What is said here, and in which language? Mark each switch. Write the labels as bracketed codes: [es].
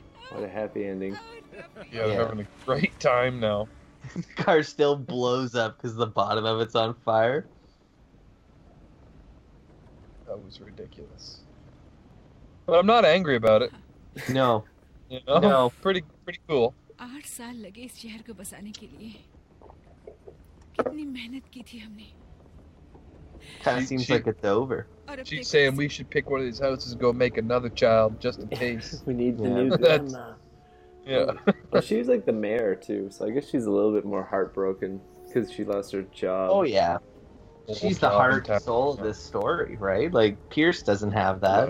[en] What a happy ending. Yeah, they're having a great time now. The car still blows up because the bottom of it's on fire. That was ridiculous. But I'm not angry about it. No. You know? No, pretty cool. [hi] 8 साल लगे इस शहर को बसाने के लिए. कितनी मेहनत की थी हमने. [en] Kind of seems like it's over. She's saying we should pick one of these houses and go make another child just in case. We need the new grandma. Yeah. Well, she's like the mayor too, so I guess she's a little bit more heartbroken because she lost her job. Oh yeah. She's the heart and soul of this story, right? Like, Pierce doesn't have that.